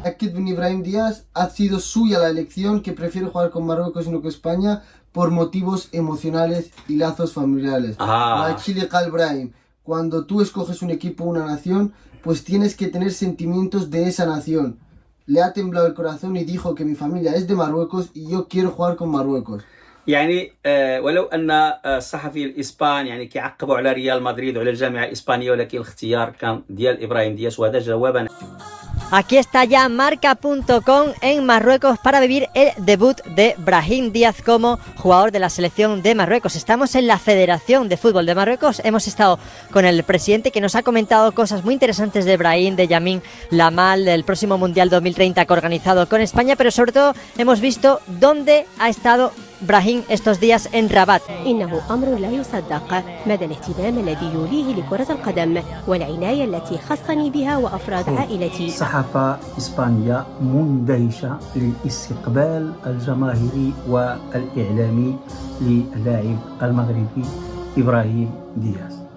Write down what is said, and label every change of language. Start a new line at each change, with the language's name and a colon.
Spanish: Aquí viene Brahim Díaz, ha sido suya la elección, que prefiere jugar con Marruecos sino que España, por motivos emocionales y lazos familiares. Machile Kal Brahim, cuando tú escoges un equipo, una nación, pues tienes que tener sentimientos de esa nación. Le ha temblado el corazón y dijo que mi familia es de Marruecos y yo quiero jugar con Marruecos.
Arabic: يعني ولو ان الصحفي الاسباني يعني كيعقبوا على ريال مدريد وعلى الجامعه الاسبانيه، ولكن الاختيار كان ديال ابراهيم دياس وهذا جوابا.
Spanish: Aquí está ya marca.com en Marruecos para vivir el debut de Brahim Díaz como jugador de la selección de Marruecos. Estamos en la Federación de Fútbol de Marruecos. Hemos estado con el presidente, que nos ha comentado cosas muy interesantes de Brahim, de Yamin Lamal, del próximo Mundial 2030 que ha organizado con España, pero sobre todo hemos visto dónde ha estado Brahim estos días en Rabat.
Arabic: إنه أمر لا يصدق مدى الاهتمام الذي يوليه لكرة القدم والعناية التي خصني بها وأفراد عائلتي. صحافة إسبانيا مندهشة للاستقبال الجماهيري والإعلامي للاعب المغربي إبراهيم دياز.